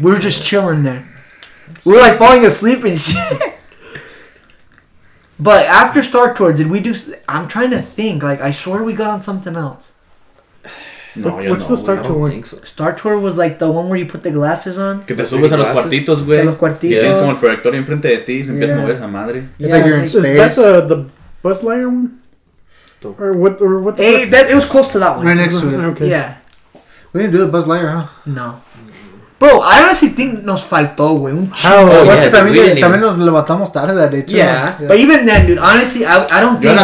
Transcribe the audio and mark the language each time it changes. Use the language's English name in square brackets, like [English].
[English] We were just chilling there. We were like falling asleep and shit. But after Star Tour, did we do? I'm trying to think. Like, I swear we got on something else. No, what's the Star Tour one? So. Star Tour was like the one where you put the glasses on. [Spanish] Que te subes a los cuartitos, güey. Los cuartitos. Yeah, es como el proyector enfrente de ti y se empieza a mover esa madre. [English] It's like you're in space. Is that the Buzz Lightyear one? Or what? It was close to that one. Right next to it. Okay. Yeah. We didn't do the Buzz Lightyear, huh? No. Bro, I honestly think [Spanish] nos faltó, güey. Un chingo. Oh, yeah, es que también nos levantamos tarde, de hecho. [English] Yeah. But even then, dude, honestly, I don't think